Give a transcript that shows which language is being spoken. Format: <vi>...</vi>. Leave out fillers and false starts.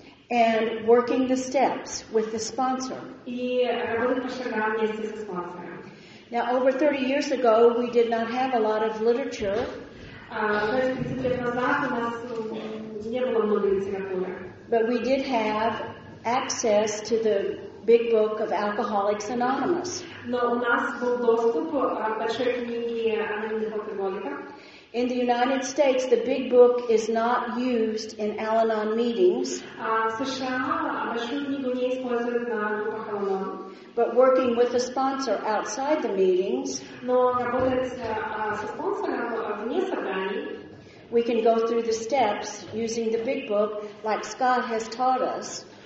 <en>And working the steps with the sponsor.</en> <ru>И работать по шагам вместе со спонсором.</ru> <en>Now, over 30 years ago, we did not have a lot of literature.</en> <ru>30 лет назад у нас не было много литературы.</ru> <en>But we did have access to the Big Book of Alcoholics Anonymous.</en> <ru>Но у нас был доступ к большой книге анонимных алкоголиков.</ru> <en>In the United States, the Big Book is not used in Al-Anon meetings.</en> <ru>США большую книгу не используют на группах Al-Anon.</ru> <en>But working with a sponsor outside the meetings.</en> <ru>Но работать со спонсором вне собраний.</ru> <en>We can go through the steps using the Big Book, like Scott has taught us.</en>